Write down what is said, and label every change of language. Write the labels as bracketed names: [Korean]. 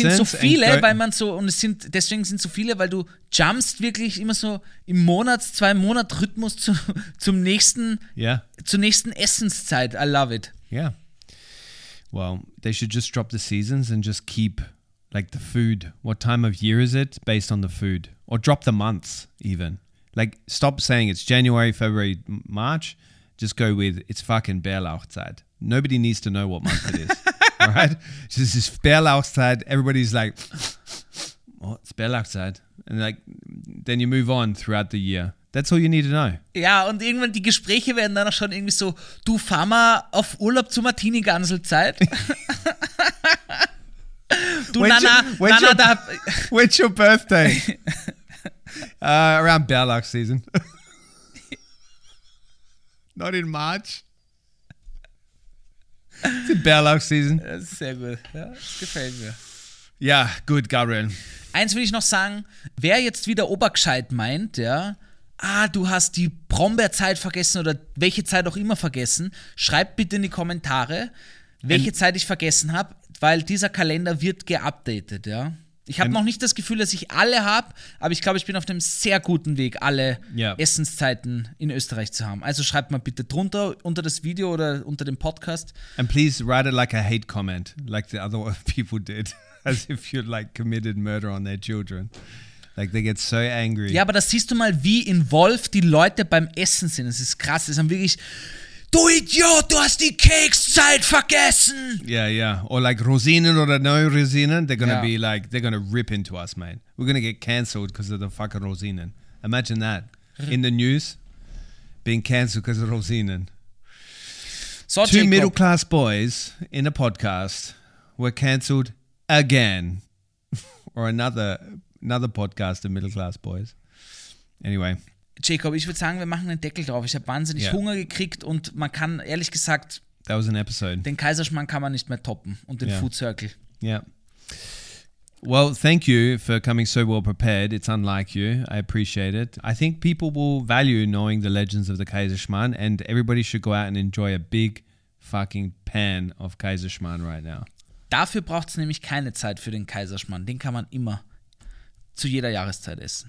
[German] Und es sind so viele, weil man so, und es sind, deswegen sind so viele, weil du jumpst wirklich immer so im Monats-, zwei-Monat-Rhythmus zum nächsten, zur nächsten Essenszeit. [English] I love it. Yeah. Well, they should just drop the seasons and just keep, like, the food. What time of year is it based on the food? Or drop the months even. Like, stop saying it's January, February, March. Just go with, it's fucking Bärlauchzeit. Nobody needs to know what month it is. Right? So this is Bärlauchzeit. Everybody's like, oh, it's Bärlauchzeit. And like, then you move on throughout the year. That's all you need to know. [German] Ja, und irgendwann die Gespräche werden dann auch schon irgendwie so, du fahr mal auf Urlaub zur Martini-Ganselzeit. Du, [English] when's Nana, your, when's Nana, your, [German] da. [English] When's your birthday? Around Bärlauch season. Not in March. It's in Bärlauch season. [German] Das ist sehr gut. Ja, gefällt mir. Ja, gut, Gabriel. Eins will ich noch sagen. Wer jetzt wieder obergescheit meint, ja, ah, du hast die Brombeerzeit vergessen oder welche Zeit auch immer vergessen, schreibt bitte in die Kommentare, welche Zeit ich vergessen habe, weil dieser Kalender wird geupdatet, ja. Ich habe noch nicht das Gefühl, dass ich alle habe, aber ich glaube, ich bin auf einem sehr guten Weg, alle Essenszeiten in Österreich zu haben. Also schreibt mal bitte drunter, unter das Video oder unter dem Podcast. [English] And please write it like a hate comment, like the other people did, as if you like committed murder on their children. Like they get so angry. [German] Ja, aber das siehst du mal, wie involved die Leute beim Essen sind. Das ist krass, das haben wirklich... Du Idiot, du hast die Kekszeit vergessen. [English] Yeah, yeah. Or like [German] Rosinen oder neue Rosinen, [English] they're gonna be like, they're gonna rip into us, man. We're gonna get cancelled because of the fucking Rosinen. Imagine that. In the news, being cancelled because of Rosinen. So two middle class boys in a podcast were cancelled again. Or another podcast of middle class boys. Anyway. [German] Jacob, ich würde sagen, wir machen einen Deckel drauf. Ich habe wahnsinnig Hunger gekriegt und man kann, ehrlich gesagt, [English] that was an episode. [German] Den Kaiserschmarrn kann man nicht mehr toppen und den Food Circle. [English] Yeah. Well, thank you for coming so well prepared. It's unlike you. I appreciate it. I think people will value knowing the legends of the Kaiserschmarrn and everybody should go out and enjoy a big fucking pan of Kaiserschmarrn right now. [German] Dafür braucht es nämlich keine Zeit für den Kaiserschmarrn. Den kann man immer zu jeder Jahreszeit essen.